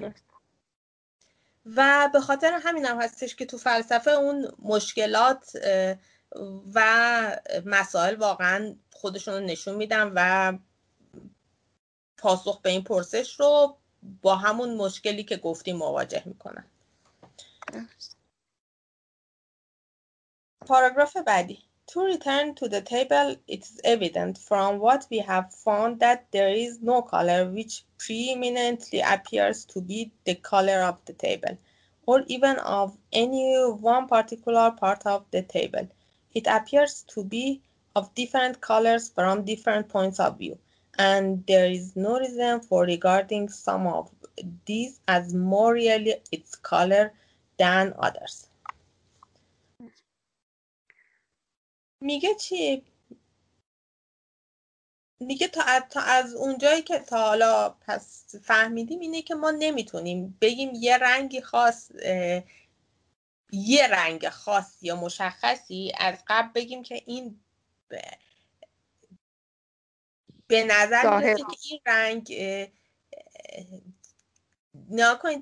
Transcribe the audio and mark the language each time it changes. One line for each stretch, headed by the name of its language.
Persian: درسته. و به خاطر همین هم هستش که تو فلسفه اون مشکلات و مسائل واقعا خودشون رو نشون میدن و پاسخ به این پرسش رو با همون مشکلی که گفتیم مواجه میکنن. پاراگراف بعدی.
English: To return to the table, it is evident from what we have found that there is no color which preeminently appears to be the color of the table or even of any one particular part of the table. It appears to be of different colors from different points of view, and there is no reason for regarding some of these as more really its color than others.
Persian: میگه چی؟ میگه تا از اونجایی که تا حالا پس فهمیدیم اینه که ما نمیتونیم بگیم یه رنگی خاص، یه رنگ خاص یا مشخصی از قبل بگیم که این به نظر میرسه که این رنگ نها کنید.